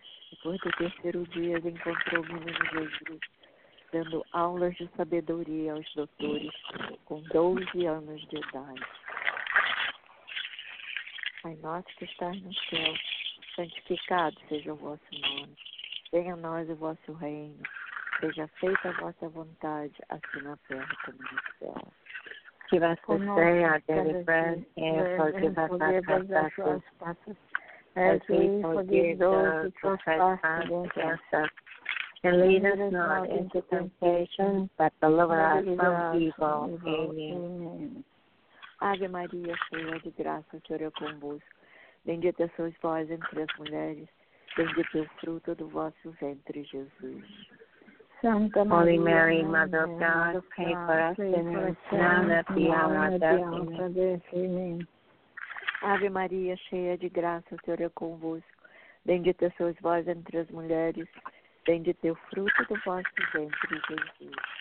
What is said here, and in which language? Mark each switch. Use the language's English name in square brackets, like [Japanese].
[Portuguese] Depois do 3º dia, encontrou o menino Jesus dando aulas de sabedoria aos doutores com 12 anos de idade. Pai nosso que estás no céu, santificado seja o vosso nome. Venha a nós o vosso reino. Seja feita a vossa vontade, assim na terra como no céu. [English] Give us this day our daily bread, and forgive us our trespasses, as we forgive those who trespass against us. And lead us not into temptation, but deliver us from evil. Amen. [Portuguese] Ave Maria, cheia de graça, o Senhor é convosco. Bendita sois vós entre as mulheres, bendito é o fruto do vosso ventre, Jesus. [English] Santa Maria, Holy Mary, Mother of God, pray for us sinners now and at the hour of death. Amen. [Portuguese] Ave Maria, cheia de graça, o Senhor é convosco. Bendita sois vós entre as mulheres. Bendito é o fruto do vosso ventre, Jesus.